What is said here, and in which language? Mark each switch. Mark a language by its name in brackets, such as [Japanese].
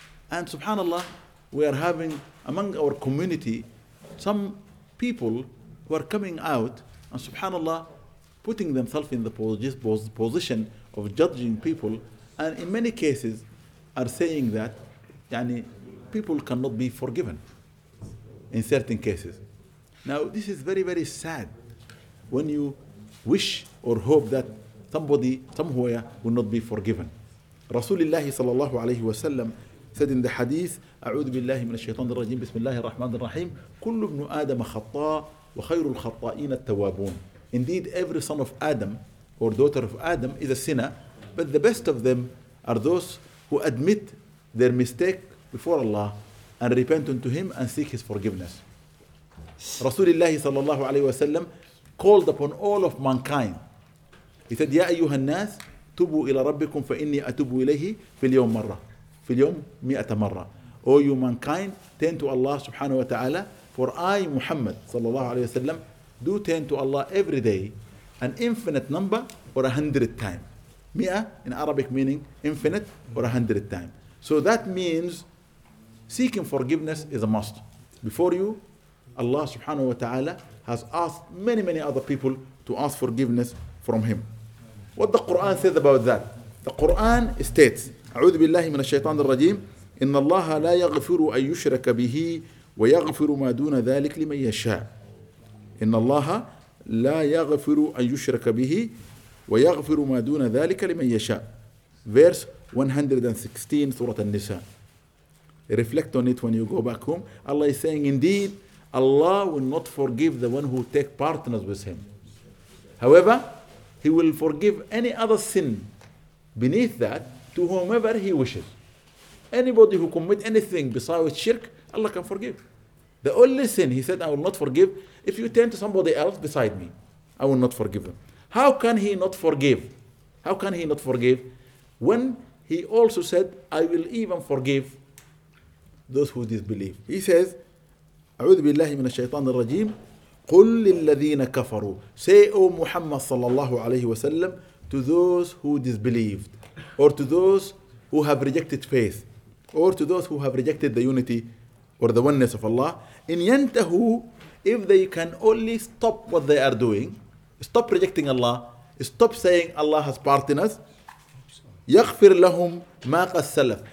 [English] And subhanAllah, we are having among our community some people who are coming out and subhanAllah putting themselves in the position of judging people, and in many cases are saying that people cannot be forgiven in certain cases. Now, this is very, very sad when you wish or hope that somebody somewhere will not be forgiven. Rasulullah sallallahu alayhi wa sallam said in the hadith, [Arabic] أعوذ بالله من الشيطان الرجيم بسم الله الرحمن الرحيم كل ابن آدم خطاء وخير الخطائين التوابون. [English] Indeed, every son of Adam or daughter of Adam is a sinner, but the best of them are those who admit their mistake before Allah and repent unto Him and seek His forgiveness. Rasulullah sallallahu alayhi wa sallam called upon all of mankind. He said, [Arabic] يا أيها الناس توبوا إلى ربكم فإني أتوب إليه في اليوم مرة في اليوم 100 مرة. [English] O you mankind, turn to Allah subhanahu wa ta'ala, for I, Muhammad sallallahu alayhi wa sallam, do turn to Allah every day an infinite number or 100 times. Mi'a in Arabic meaning infinite or 100 times. So that means seeking forgiveness is a must. Before you, Allah subhanahu wa ta'ala has asked many, many other people to ask forgiveness from Him. What the Quran says about that? The Quran states, [Arabic] أعوذ بالله من الشيطان الرجيم إن الله لا يغفر أن يشرك به ويغفر ما دون ذلك لمن يشاء. إن الله لا يغفر أن يشرك به ويغفر ما دون ذلك لمن يشاء. [English] Verse 116, سورة النساء. Reflect on it when you go back home. Allah is saying, indeed, Allah will not forgive the one who take partners with Him. However, He will forgive any other sin beneath that to whomever He wishes. Anybody who commit anything besides shirk, Allah can forgive. The only sin He said, I will not forgive, if you turn to somebody else beside me, I will not forgive them. How can He not forgive? How can He not forgive when He also said, I will even forgive those who disbelieve? He says, [Arabic] أعوذ بالله من الشيطان الرجيم قل للذين كفروا. [English] Say, O Muhammad sallallahu alayhi wa sallam, to those who disbelieved, or to those who have rejected faith, or to those who have rejected the unity or the oneness of Allah, [Arabic] in yantahu, [English] if they can only stop what they are doing, stop rejecting Allah, stop saying Allah has pardoned us, [Arabic] yaghfir lahum ma qad salaf.